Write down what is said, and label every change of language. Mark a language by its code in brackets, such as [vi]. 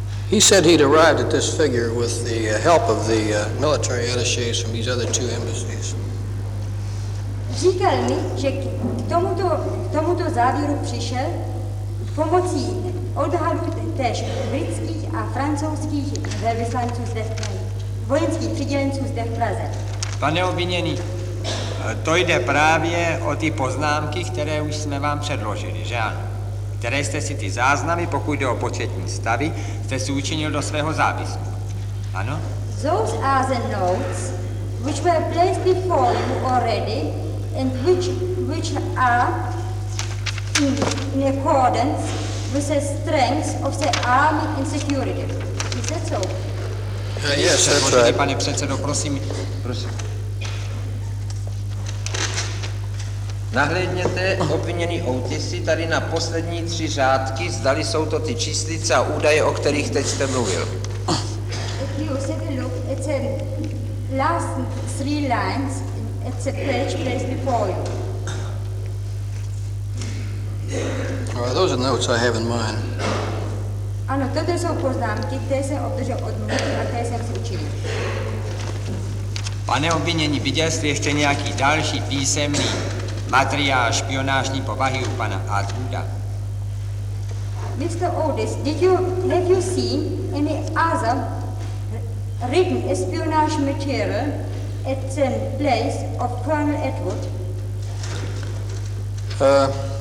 [en] He said he'd arrived at this figure with the help of the military attachés from these other two embassies. [cs] Říkal mi, že k tomuto závěru přišel pomocí odhadu též britských a francouzských velvyslanců zde v Praze, vojenských přidělenců zde v Praze. Pane obviněný, to jde právě o ty poznámky, které už jsme vám předložili, že ano? Které jste si ty záznamy, pokud jde o početní stavy, jste si učinil do svého zápisu. Ano? [en] Those are the notes which were placed before you already, and which are in accordance with the strengths of the army and security. Is that so? Yes, sir, that's right. [cs] Pane předsedo, prosím. Prosím. Nahlédněte, obviněný Otisi, tady na poslední tři řádky, zdali jsou to ty číslice a údaje, o kterých teď jste mluvil. [en] If you take a look at the last three lines, it's a page placed before you. Those are notes I have in mind. [cs] Ano, toto jsou poznámky, které jsem obdržel od mluvy a které jsem si učil. Pane obvinění, viděl jste ještě nějaký další písemný materiál špionážní povahy u pana Atwooda? [en] Mr. Otis, have you seen any other written espionage material at the place of Colonel Atwood?